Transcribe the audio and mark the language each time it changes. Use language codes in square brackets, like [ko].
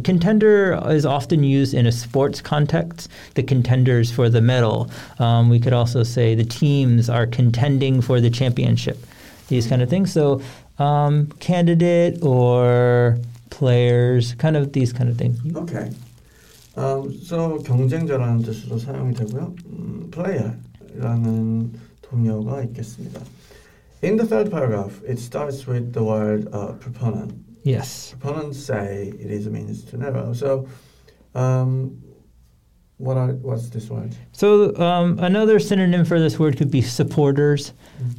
[en] Contender is often used in a sports context, the contenders for the medal. We could also say the teams are contending for the championship, these kind of things. So candidate or players, kind of these kind of things. Okay. [ko] So 경쟁자라는 뜻으로 사용이 되고요. player라는 동요가 있겠습니다. [en] In the third paragraph, it starts with the word proponent. Yes. Proponents say it is a means to narrow. So, what's this word? So, another synonym for this word could be supporters, mm-hmm.